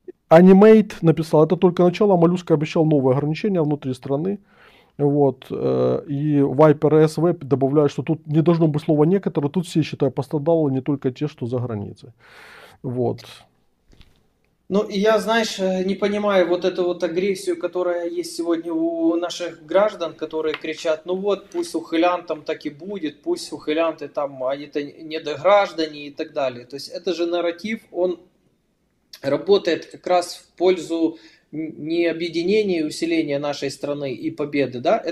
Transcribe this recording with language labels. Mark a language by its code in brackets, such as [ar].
[uk] Animate написав: це тільки начало, Малюска обіцяв нові ограничення внутрі країни. [ru] Вот. [uk] І Viper SV додає, що тут [ru] не должно [uk] бути слова [ru] «некоторые», [uk] тут всі, [ru] считаю, [uk] постраждали, не тільки ті, що [ru] за границей. Вот. Ну, и я, знаешь, не понимаю вот эту вот агрессию, которая есть сегодня у наших граждан, которые кричат: ну вот, пусть ухылян там так и будет, пусть ухылянты там, они-то недограждане и так далее. То есть это же нарратив, он работает как раз в пользу не объединения и усиления нашей страны и победы, да?